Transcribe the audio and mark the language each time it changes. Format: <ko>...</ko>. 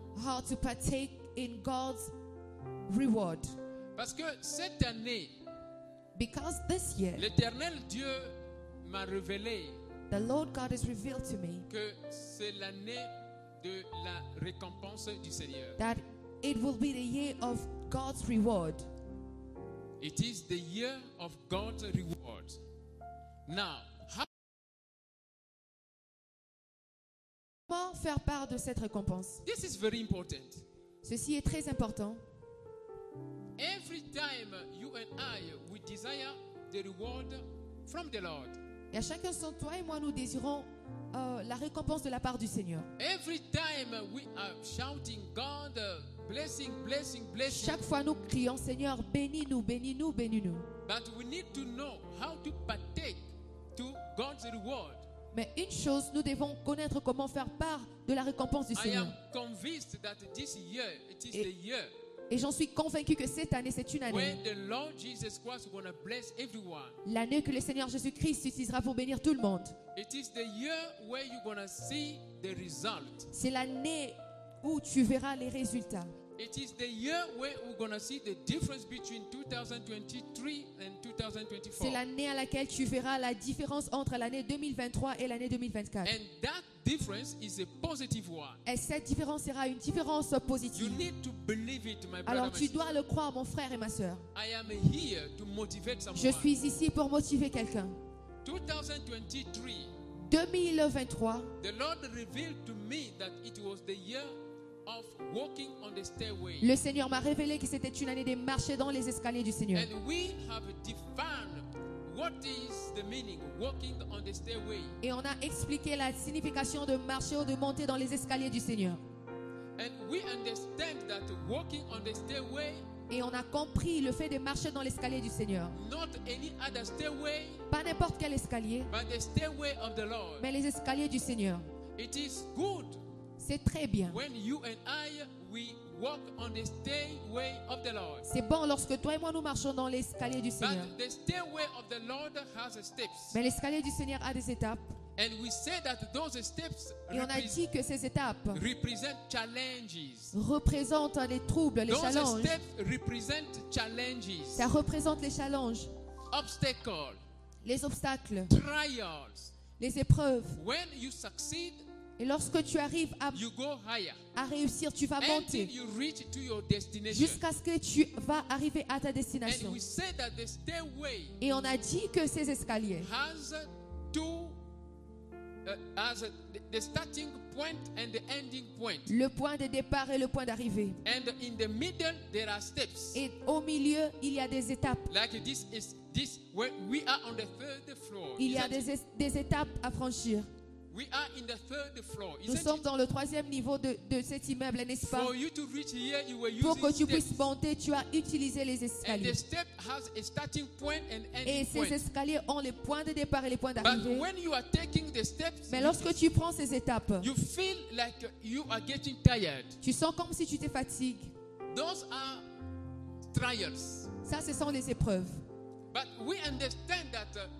<en>How to partake in God's reward?</en> <fr>Parce que cette année,</fr> <en>because this year,</en> <fr>l'Éternel Dieu m'a révélé,</fr> <en>the Lord God has revealed to me,</en> <fr>que c'est l'année de la récompense du Seigneur.</fr> <en>That it will be the year of God's reward. It is the year of God's reward. Now,</en> <fr>comment faire part de cette récompense?</fr> <en>This is very important.</en> <fr>Ceci est très important.</fr> <en>Every time you and I we desire the reward from the Lord.</en> <fr>Et à chacun son toi et moi nous désirons la récompense de la part du Seigneur.</fr> <en>Every time we are shouting God blessing, blessing, blessing.</en> <fr>Chaque fois nous crions Seigneur bénis-nous, bénis-nous, bénis-nous.</fr> <en>But we need to know how to partake to God's reward.</en> <fr>Mais une chose, nous devons connaître comment faire part de la récompense du Seigneur.</fr> <en>I am convinced that this year, it is the year.</en> <fr>Et j'en suis convaincu que cette année, c'est une année.</fr> <en>When the Lord Jesus Christ will bless everyone.</en> <fr>L'année que le Seigneur Jésus-Christ utilisera pour bénir tout le monde.</fr> <en>It is the year where you're gonna see the result.</en> <fr>C'est l'année où tu verras les résultats.</fr> <en>It is the year where we're gonna see the difference between 2023 and 2024.</en> <fr>C'est l'année à laquelle tu verras la différence entre l'année 2023 et l'année 2024.</fr> <en>And that difference is a positive one.</en> <fr>Et cette différence sera une différence positive.</fr> <en>You need to believe it, my brother.</en> <fr>Alors tu dois le croire, mon frère et ma sœur.</fr> <en>I am here to motivate someone.</en> <fr>Je suis ici pour motiver quelqu'un. 2023.</fr> <en>The Lord revealed to me that it was the year of walking on the stairway.</en> <fr>Le Seigneur m'a révélé que c'était une année de marcher dans les escaliers du Seigneur.</fr> <en>And we have defined what is the meaning walking on the stairway.</en> <fr>Et on a expliqué la signification de marcher ou de monter dans les escaliers du Seigneur.</fr> <en>And we understand that walking on the stairway.</en> <fr>Et on a compris le fait de marcher dans l'escalier du Seigneur.</fr> <en>Not any other stairway.</en> <fr>Pas n'importe quel escalier.</fr> <en>But the stairway of the Lord.</en> <fr>Mais les escaliers du Seigneur.</fr> <en>It is good.</en> <fr>C'est très bien.</fr> <en>When you and I, we walk on the stairway of the Lord.</en> <fr>C'est bon lorsque toi et moi nous marchons dans l'escalier du Seigneur.</fr> <en>But the stairway of the Lord has steps.</en> <fr>Mais l'escalier du Seigneur a des étapes.</fr> <en>And we say that those steps</en> <fr>et on a dit que ces étapes</fr> <en>represent challenges.</en> <fr>Représentent les troubles, les</fr> <en>those challenges. Steps represent challenges.</en> <fr>Ça représente les challenges.</fr> <en>Obstacles.</en> <fr>Les obstacles.</fr> <en>Trials.</en> <fr>Les épreuves.</fr> <en>When you succeed,</en> <fr>et lorsque tu arrives à,</fr> <en>you go higher,</en> <fr>à réussir, tu vas monter</fr> <en>until you reach to your destination.</en> <fr>Jusqu'à ce que tu vas arriver à ta destination.</fr> <en>And we said that the stairway</en> <fr>et on a dit que ces escaliers</fr> <en>has two as the starting point and the ending point.</en> <fr>Le point de départ et le point d'arrivée.</fr> <en>And in the middle there are steps.</en> <fr>Et au milieu il y a des étapes.</fr> <en>Like this is this where we are on the third floor.</en> <fr>Il y a des étapes à franchir.</fr> <en>We are in the third floor.</en> <fr>Nous sommes dans le troisième niveau de cet immeuble, n'est-ce pas?</fr> <en>For you to reach here, you were using</en> <fr>pour que tu</fr> <en>steps.</en> <fr>Puisses monter, tu as utilisé les escaliers.</fr> <en>And the step has a starting point and ending</en> <fr>et ces</fr> <en>point.</en> <fr>Escaliers ont les points de départ et les points d'arrivée.</fr> <en>But when you are taking the steps,</en> <fr>mais lorsque tu prends ces étapes,</fr> <en>you feel like you are getting tired.</en> <fr>Tu sens comme si tu te fatigues.</fr> <en>Those are trials.</en> <fr>Ça, ce sont les épreuves.</fr> <en>But we understand that,</en>